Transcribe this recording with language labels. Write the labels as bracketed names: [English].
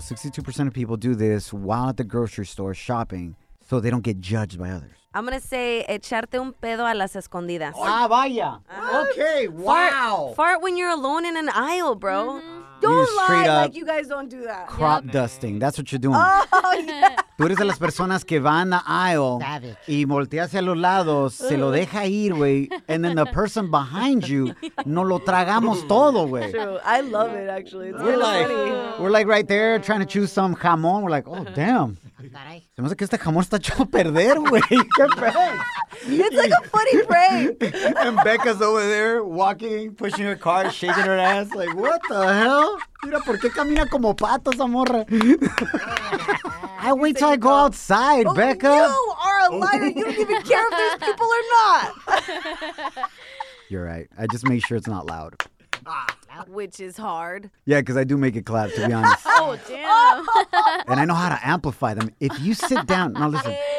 [English] 62% of people do this while at the grocery store shopping so they don't get judged by others. I'm going to say [Spanish] echarte un pedo a las escondidas. [English] Ah, vaya. What? Okay, wow. Fart when you're alone in an aisle, bro. Mm-hmm. Don't lie like you guys don't do that. Crop dusting. That's what you're doing. Oh, yeah. [Spanish] Tú eres de las personas que van a aisle [English] Savage. [Spanish] Y voltea hacia los lados, se lo deja ir, güey. [English] And then the person behind you, [Spanish] no lo tragamos todo, güey. [English] True. I love it, actually. It's we're really like, funny. We're like right there trying to choose some jamón. We're like, oh, damn. [Spanish] Se me hace que este jamón está hecho a perder, güey. ¿Qué pez? [English] It's like a funny prank. And Becca's over there walking, pushing her car, shaking her ass. Like, what the hell? [Spanish] Mira, ¿por qué camina como pato esa morra? [English] I wait till I go outside, oh, Becca. You are a liar. You don't even care if there's people or not. You're right. I just make sure it's not loud. Which is hard. Yeah, because I do make it clap, to be honest. Oh, damn. And I know how to amplify them. If you sit down, now listen.